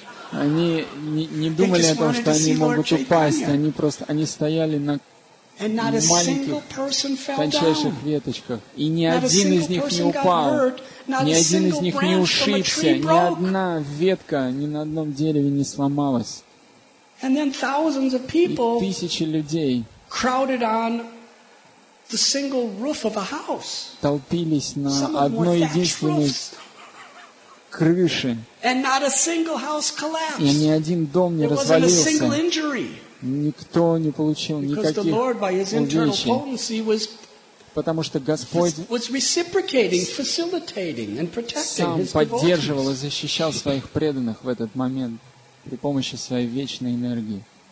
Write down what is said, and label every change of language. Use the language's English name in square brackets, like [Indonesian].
[Russian] Они не думали о том, что они могут упасть. Они стояли на маленьких тончайших веточках, и ни один из них не упал, ни один из них не ушибся, ни одна ветка ни на одном дереве не сломалась. И тысячи людей [English] crowded on the single roof of a house. [Russian] Толпились на одной единственной крыше. [English] And not a single house collapsed. [Russian] И ни один дом не развалился. [English] There wasn't a single injury. [Russian] Никто не получил никаких увечий. Потому что Господь сам поддерживал и защищал своих преданных в этот момент при помощи своей вечной энергии.